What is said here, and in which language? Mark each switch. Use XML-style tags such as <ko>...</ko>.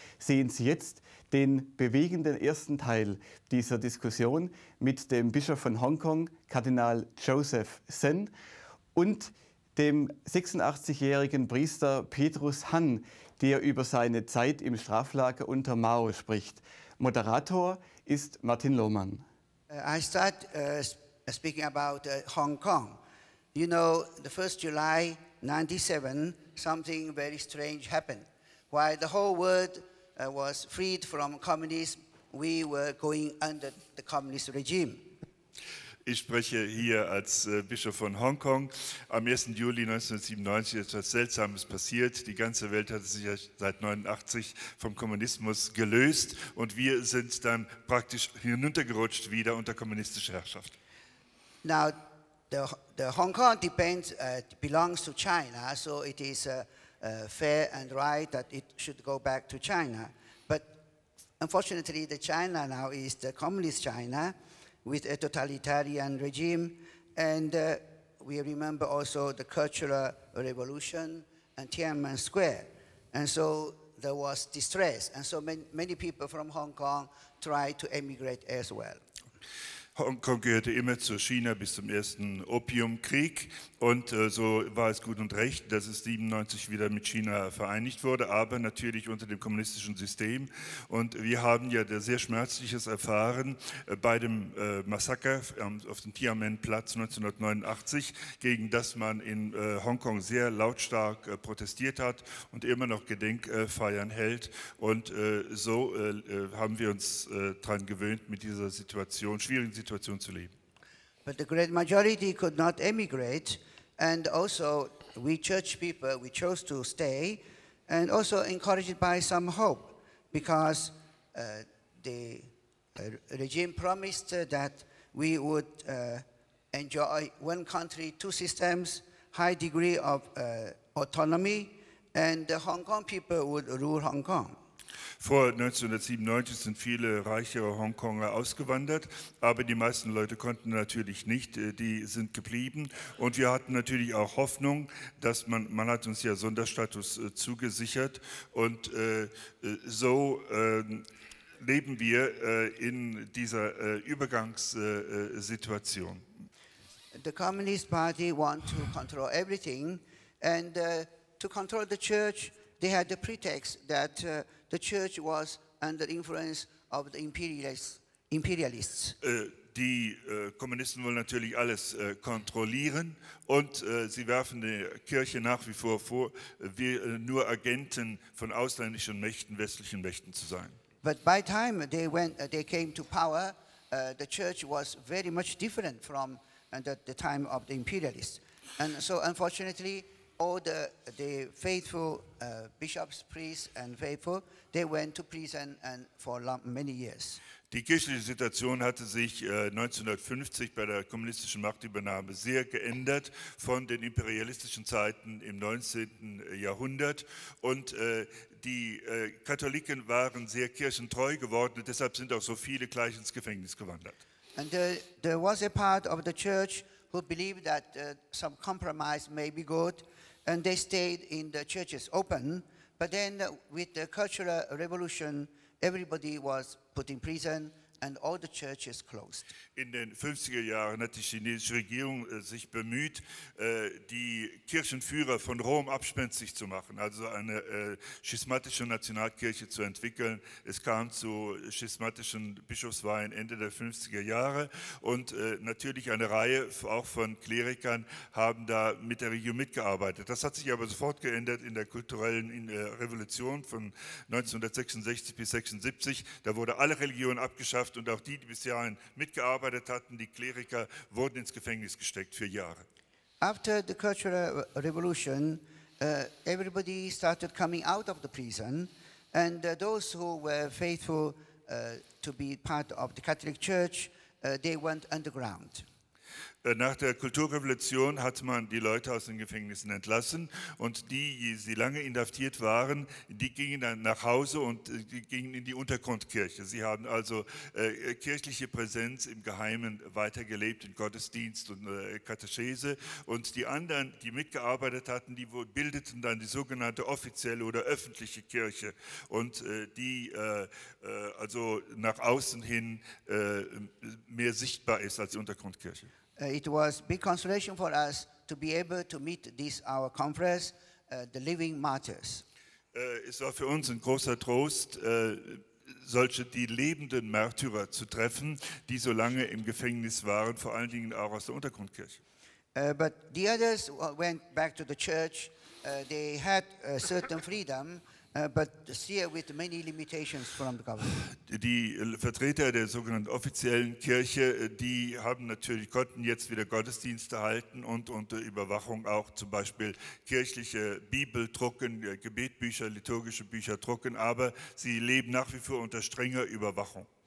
<de>Sehen Sie jetzt den bewegenden ersten Teil dieser Diskussion mit dem Bischof von Hongkong, Kardinal Joseph Sen, und dem 86-jährigen Priester Petrus Han, der über seine Zeit im Straflager unter Mao spricht. Moderator ist Martin Lohmann.</de> <en>I start speaking about Hong Kong. You know, the 1st July 97, something very strange happened. While the whole world was freed from communism, we were going under the communist regime.</en> <de>Ich spreche hier als Bischof von Hongkong. Am 1. Juli 1997 ist etwas Seltsames passiert. Die ganze Welt hat sich seit 89 vom Kommunismus gelöst und wir sind dann praktisch hinuntergerutscht wieder unter kommunistische Herrschaft.</de> <en>Now, the Hong Kong depends, belongs to China, so it is fair and right that it should go back to China. But unfortunately, the China now is the communist China, with a totalitarian regime, and we remember also the Cultural Revolution and Tiananmen Square. And so there was distress, and so many people from Hong Kong tried to emigrate as well.</en> <de>Hongkong gehörte immer zu China bis zum ersten Opiumkrieg und so war es gut und recht, dass es 97 wieder mit China vereinigt wurde, aber natürlich unter dem kommunistischen System. Und wir haben ja sehr Schmerzliches erfahren bei dem Massaker auf dem Tiananmenplatz 1989, gegen das man in Hongkong sehr lautstark protestiert hat und immer noch Gedenkfeiern hält. Und so haben wir uns daran gewöhnt, mit dieser Situation, schwierigen Situation zu leben.</de> <en>But the great majority could not emigrate, and also we church people, we chose to stay, and also encouraged by some hope, because the regime promised that we would enjoy one country, two systems, high degree of autonomy, and the Hong Kong people would rule Hong Kong.</en> <de>Vor 1997 sind viele reichere Hongkonger ausgewandert, aber die meisten Leute konnten natürlich nicht, die sind geblieben. Und wir hatten natürlich auch Hoffnung, dass man hat uns ja Sonderstatus zugesichert. Und so leben wir in dieser Übergangssituation.</de> <en>The Communist Party want to control everything and to control the church. They had the pretext that the church was under influence of the imperialists.</en> <de>Die Kommunisten wollen natürlich alles kontrollieren und sie werfen der Kirche nach wie vor, wir nur Agenten von ausländischen Mächten, westlichen Mächten zu sein.</de> <en>But by time they went, they came to power, the church was very much different from the time of the imperialists. And so unfortunately, all the faithful bishops, priests and faithful, they went to prison and for many years.</en> <de>Die kirchliche Situation hatte sich 1950 bei der kommunistischen Machtübernahme sehr geändert von den imperialistischen Zeiten im 19. Jahrhundert. Und die Katholiken waren sehr kirchentreu geworden, deshalb sind auch so viele gleich ins Gefängnis gewandert.</de> <en>And there was a part of the church who believed that some compromise may be good, and they stayed in the churches open, but then with the Cultural Revolution, everybody was put in prison and all the churches closed.</en> <de>In den 50er Jahren hat die chinesische Regierung sich bemüht, die Kirchenführer von Rom abspenstig zu machen, also eine schismatische Nationalkirche zu entwickeln. Es kam zu schismatischen Bischofsweihen Ende der 50er Jahre und natürlich eine Reihe auch von Klerikern haben da mit der Regierung mitgearbeitet. Das hat sich aber sofort geändert in der kulturellen Revolution von 1966 bis 1976. Da wurde alle Religion abgeschafft. Und auch die, die bis dahin mitgearbeitet hatten, die Kleriker, wurden ins Gefängnis gesteckt für Jahre.</de> <en>After the Cultural Revolution, everybody started coming out of the prison, and those who were faithful to be part of the Catholic Church, they went underground.</en> <de>Nach der Kulturrevolution hat man die Leute aus den Gefängnissen entlassen und die, die lange inhaftiert waren, die gingen dann nach Hause und gingen in die Untergrundkirche. Sie haben also kirchliche Präsenz im Geheimen weitergelebt, in Gottesdienst und Katechese. Und die anderen, die mitgearbeitet hatten, die bildeten dann die sogenannte offizielle oder öffentliche Kirche und die also nach außen hin mehr sichtbar ist als die Untergrundkirche.</de> <en>It was big consolation for us to be able to meet this our conference, the living martyrs.</en> <de>Es war für uns ein großer Trost, solche die lebenden Märtyrer zu treffen, die so lange im Gefängnis waren, vor allen Dingen auch aus der Untergrundkirche.</de> <en>But the others went back to the church. They had a certain freedom. But still with many limitations from the government.</en> <de>Die Vertreter der sogenannten offiziellen Kirche, die haben natürlich, konnten jetzt wieder Gottesdienste halten und unter Überwachung auch zum Beispiel kirchliche Bibel drucken, Gebetbücher, liturgische Bücher drucken, aber sie leben nach wie vor unter strenger Überwachung.</de>